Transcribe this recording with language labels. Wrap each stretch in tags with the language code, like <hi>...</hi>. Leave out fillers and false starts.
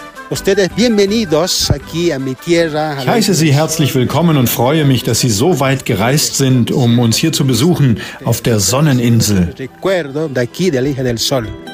<es>Ustedes bienvenidos aquí a mi tierra.</es> <de>Ich heiße Sie herzlich willkommen und freue mich, dass Sie so weit gereist sind, um uns hier zu besuchen, auf der Sonneninsel.</de> <es>Recuerdo de aquí de la Isla del Sol.</es>